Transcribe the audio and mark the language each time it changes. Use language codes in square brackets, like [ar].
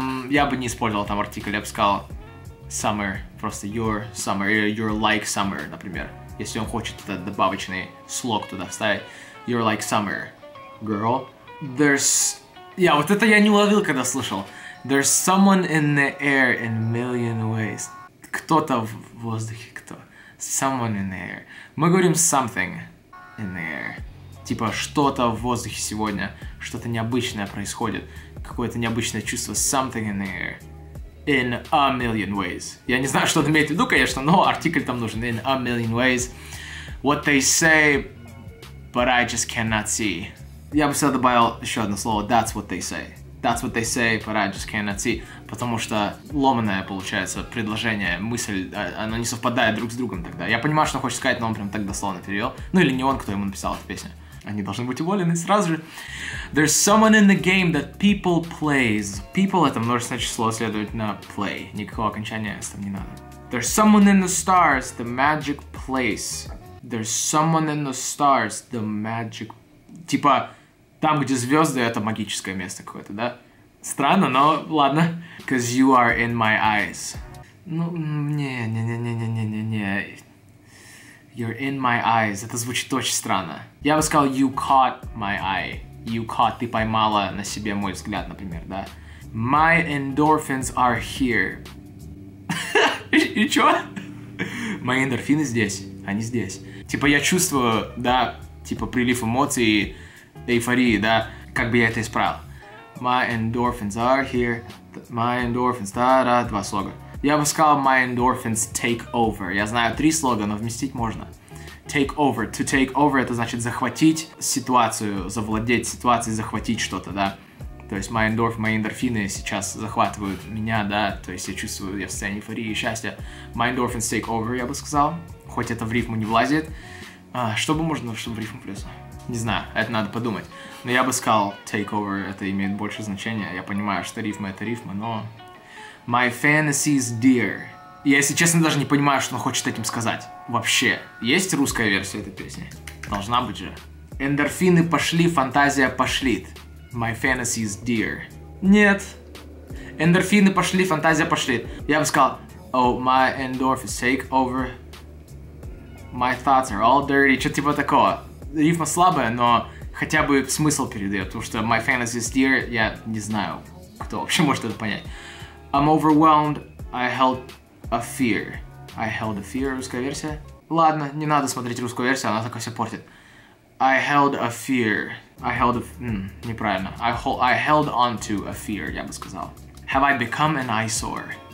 [ru] Я бы не использовал там артикль, я бы сказал summer, просто [en] your summer, you're like summer, [ru] например. Если он хочет этот добавочный слог туда вставить. [en] You're like summer girl. There's... [ru] Я вот это я не уловил, когда слышал. [en] There's someone in the air in a million ways. [ru] Кто-то в воздухе, кто? [en] Someone in the air. [ru] Мы говорим [en] something in the air. [ru] Типа, что-то в воздухе сегодня, что-то необычное происходит. Какое-то необычное чувство. [en] Something in the air. In a million ways. [ru] Я не знаю, что он имеет в виду, конечно, но артикль там нужен. [en] In a million ways. What they say, but I just cannot see. [ru] Я бы сюда добавил еще одно слово. [en] That's what they say. That's what they say, but I just cannot see. [ru] Потому что ломаное получается предложение, мысль, оно не совпадает друг с другом тогда. Я понимаю, что он хочет сказать, но он прям так дословно перевел. Ну или не он, кто ему написал эту песню. Они должны быть уволены сразу же. [en] There's someone in the game that people plays. [ru] People — это множественное число, следовательно, play. Никакого окончания с там не надо. [en] There's someone in the stars, the magic place. There's someone in the stars, the magic... [ru] Типа, там, где звезды, это магическое место какое-то, да? Странно, но ладно. [en] Cause you are in my eyes. [ru] Ну, не-не-не-не-не-не-не-не. [en] You're in my eyes. [ru] Это звучит очень странно. Я бы сказал, [en] you caught my eye. You caught, [ru] ты поймала на себе мой взгляд, например, да? [en] My endorphins are here. [ru] И чё? Мои эндорфины здесь, они здесь. Типа, я чувствую, да, типа, прилив эмоций, эйфории, да? Как бы я это исправил? [en] My endorphins are here. My endorphins, [ru] да-да, два слога. Я бы сказал, [en] my endorphins take over. [ru] Я знаю три слога, но вместить можно. [en] Take over. [ru] To take over — это значит захватить ситуацию, завладеть ситуацией, захватить что-то, да? То есть мои эндорфины сейчас захватывают меня, да? То есть я чувствую, я в состоянии эйфории и счастья. [en] My endorphins take over, [ru] я бы сказал. Хоть это в рифму не влазит. Что бы можно, чтобы в рифму влезло? Не знаю, это надо подумать. Но я бы сказал, take over — это имеет больше значения. Я понимаю, что рифма — это рифма, но... [en] My fantasies dear. [ru] Я, если честно, даже не понимаю, что он хочет этим сказать. Вообще. Есть русская версия этой песни? Должна быть же. Эндорфины пошли, фантазия пошлит. [en] My fantasies dear. [ru] Нет. Эндорфины пошли, фантазия пошлит. Я бы сказал, [en] oh, my endorphins take over. My thoughts are all dirty. [ru] Что-то типа такого. Рифма слабая, но хотя бы смысл передает. Потому что [en] my fantasies dear, [ru] я не знаю, кто вообще может это понять. [en] I'm overwhelmed, I held a fear. I held a fear, [ru] русская версия. Ладно, не надо смотреть русскую версию, она такое все портит. [en] I held a fear. I held a... [ru] неправильно. [en] I held on to a fear, [ru] я бы сказал. [en] Have I become an eyesore?